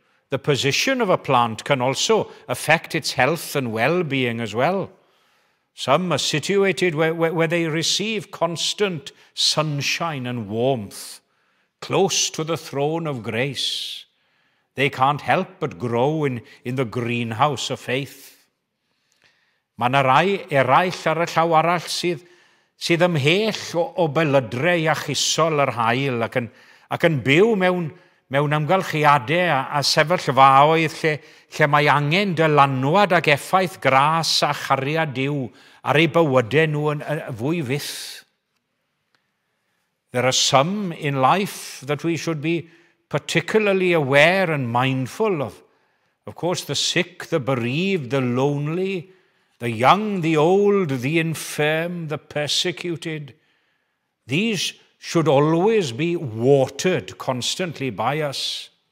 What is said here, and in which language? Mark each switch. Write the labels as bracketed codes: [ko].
[en] The position of a plant can also affect its health and well-being as well. Some are situated where they receive constant sunshine and warmth, close to the throne of grace. They can't help but grow in the greenhouse of faith. [cy] Mae yna rai eraill ar y llaw arall sydd ymhell o belydre iachusol yr hael ac yn byw mewn amgylchiadau a sefyllfaoedd lle mae angen dylanwad ag effaith gras a chariad Duw ar eu bywydau nhw yn fwy fyth. [en] There are some in life that we should be particularly aware and mindful of course, the sick, the bereaved, the lonely, the young, the old, the infirm, the persecuted. These should always be watered constantly by us.